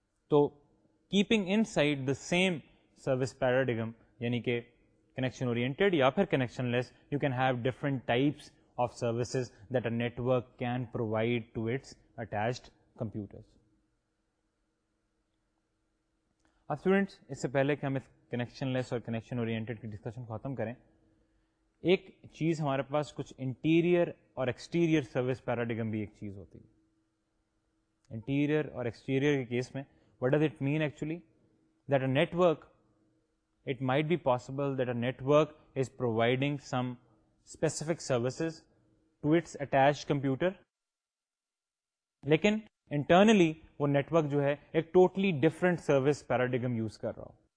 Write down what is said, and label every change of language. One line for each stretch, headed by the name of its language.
English: So, keeping inside the same service paradigm,
Urdu: yani ke
English: connection-oriented
Urdu: ya phir
English: connectionless, you can have different types of services that a network can provide to its attached computers. Our students,
Urdu: اس سے پہلے کہ ہم اس connection لیس اور connection oriented کی discussion ختم کریں, ایک چیز ہمارے پاس کچھ انٹیریئر اور ایکسٹیریئر سروس پیراڈیگم بھی ایک چیز ہوتی ہے. انٹیریئر اور ایکسٹیریئر کے کیس میں
English: What does it mean actually, that a network, it might be possible that a network is providing some specific services to its attached computer.
Urdu: Lekin internally, wo network jo hai, ek
English: totally different service paradigm
Urdu: use kar raha.